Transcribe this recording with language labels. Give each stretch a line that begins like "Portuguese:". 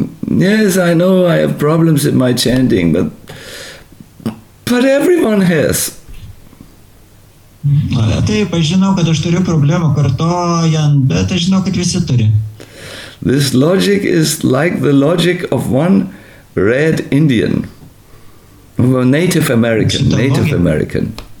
English: Yes, I know I have problems in my chanting, but everyone has.
Lithuanian: Taip, aš žinau, kad aš turiu problemą kartojant, bet aš žinau, kad visi turi.
English: This logic is like the logic of one red Indian, Native American.